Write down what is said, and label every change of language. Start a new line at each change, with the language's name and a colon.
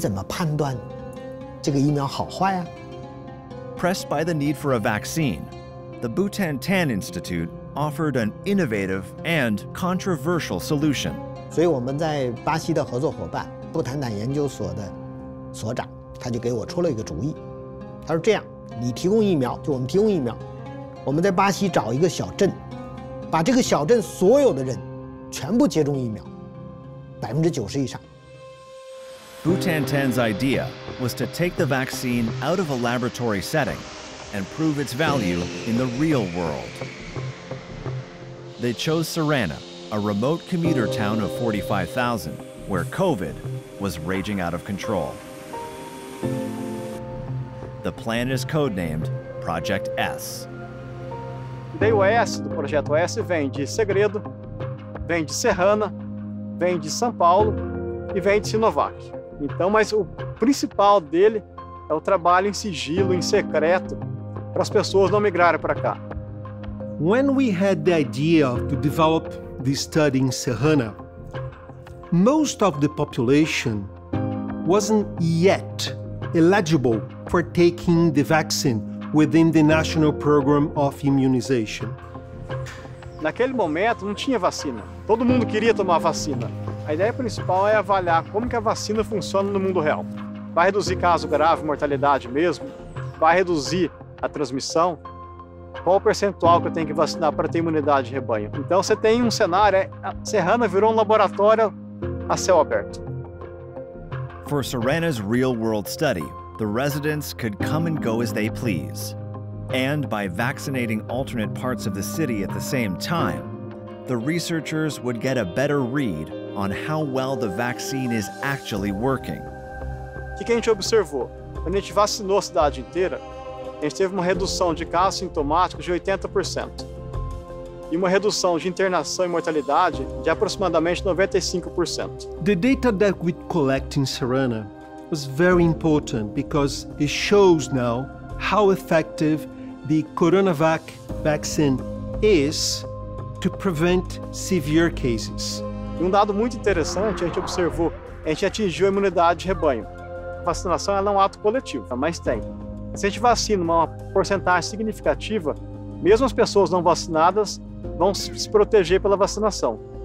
Chinese: 那么我们在巴西做的，在土耳其做的，在印尼做的，保护率也不一样，80多的到50多。可是，你怎么判断这个疫苗好坏啊？
English: Pressed by the need for a vaccine, the Butantan Institute offered an innovative and controversial solution.
Chinese: 所以我们在巴西的合作伙伴，布坦坦研究所的所长，他就给我出了一个主意。他说这样，你提供疫苗，就我们提供疫苗，我们在巴西找一个小镇，把这个小镇所有的人全部接种疫苗。 90% 以上。
English: Bhutan Ten's idea was to take the vaccine out of a laboratory setting and prove its value in the real world. They chose Sarana, a remote commuter town of 45,000, where COVID was raging out of control. The plan is codenamed Project S.
Portuguese: Day S do Projeto S vem de Segredo, vem de Serrana, vem de São Paulo e vem de Sinovac. Então, mas o principal dele é o trabalho em sigilo, em secreto, para as pessoas não migrarem para cá.
English: When we had the idea to develop this study in Serrana, most of the population wasn't yet eligible for taking the vaccine within the national program of immunization.
Portuguese: Naquele momento não tinha vacina. Todo mundo queria tomar a vacina. A ideia principal é avaliar como que a vacina funciona no mundo real. Vai reduzir caso grave, mortalidade mesmo? Vai reduzir a transmissão? Qual o percentual que eu tenho que vacinar para ter imunidade de rebanho? Então você tem um cenário, a Serrana virou um laboratório a céu aberto.
English: For Serrana's real-world study, the residents could come and go as they please. And by vaccinating alternate parts of the city at the same time, the researchers would get a better read on how well the vaccine is actually working.
Portuguese: O que a gente observou? Quando a gente vacinou a cidade inteira, a gente teve uma redução de casos sintomáticos de 80%. E uma redução de internação e mortalidade de aproximadamente 95%.
English: The data that we collect in Serrana was very important because it shows now how effective the CoronaVac vaccine is to prevent severe cases.
Portuguese: E um dado muito interessante, a gente observou, a gente atingiu a imunidade de rebanho. A vacinação ela é um ato coletivo, mas tem. Se a gente vacina uma porcentagem significativa, mesmo as pessoas não vacinadas vão se proteger pela vacinação.